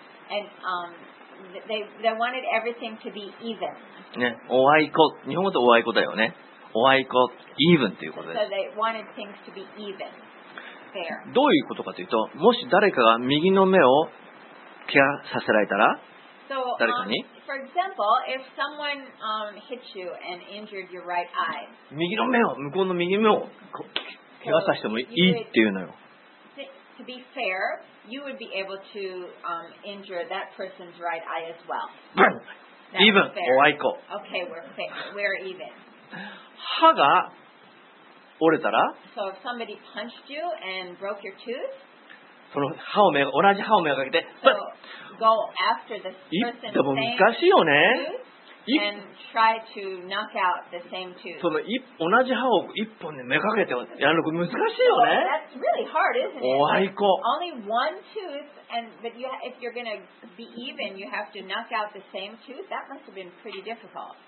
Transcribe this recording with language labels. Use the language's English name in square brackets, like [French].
[English] And, they wanted everything to be even. [Japanese] ね、おあいこ、日本語でおあいこだよね。おあいこ、even ということです。 [English] So they wanted things to be even. Fair. [Japanese] どういうことかというと、もし誰かが右の目をケアさせられたら、 [English] so, [Japanese] 誰かに、 [English] for example, if someone, hits you and injured your right eye, [Japanese] 右の目を、向こうの右目をケアさせてもいいっていうのよ。 [English] To be fair, you would be able to, injure that person's right eye as well. [Japanese] Even, おあいこ。 [English] Okay, we're fair. We're even. [Japanese] 歯が折れたら、 [English] so if somebody punched you and broke your tooth, [Japanese] その歯をめ、同じ歯をめがけて、 [English] go after the person same tooth and try to knock out the same tooth. [Japanese] その同じ歯を一本でめがけてやるのが難しいよね。 [English] That's really hard, isn't it? [Japanese] おあいこ。 [English] Only one tooth. And but you, if you're going to be even, you have to knock out the same tooth. That must have been pretty difficult.